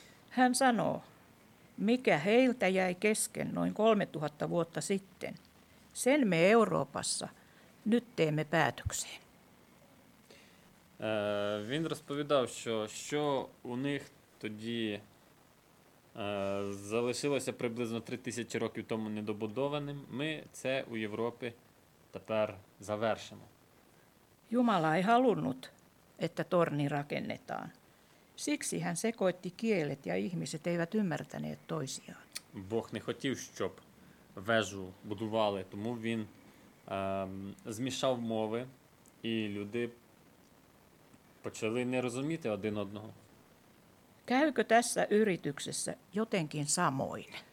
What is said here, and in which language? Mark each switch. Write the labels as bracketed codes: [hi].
[fi] Hän sanoo, mikä heiltä jäi kesken noin 3000 vuotta sitten, sen me Euroopassa nyt teemme päätökseen. [uk] Він розповідав, що у них тоді залишилося приблизно 3000 років тому недобудованим, ми це у Європі тепер завершимо. [fi] Jumala ei halunnut, että torni rakennetaan. Siksi hän sekoitti kielet ja ihmiset eivät ymmärtäneet toisiaan. [uk] Бог не хотів, щоб вежу будували, тому він змішав мови, і люди почали не розуміти один одного. [fi] Käykö tässä yrityksessä jotenkin samoin?